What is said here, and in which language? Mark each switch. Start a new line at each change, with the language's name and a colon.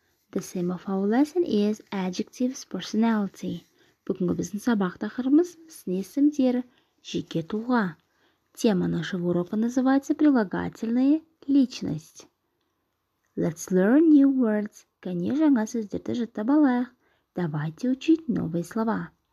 English: The theme of our lesson is adjectives personality.
Kazakh: Бүгінгі біздің сабақ тақырыбымыз сын-есімдер, жеке тұлға.
Russian: Тема нашего урока называется прилагательные личность.
English: Let's learn new words.
Russian: Конечно,
Kazakh: жаңа сөздерді жаттап алайық.
Russian: Давайте учить новые слова.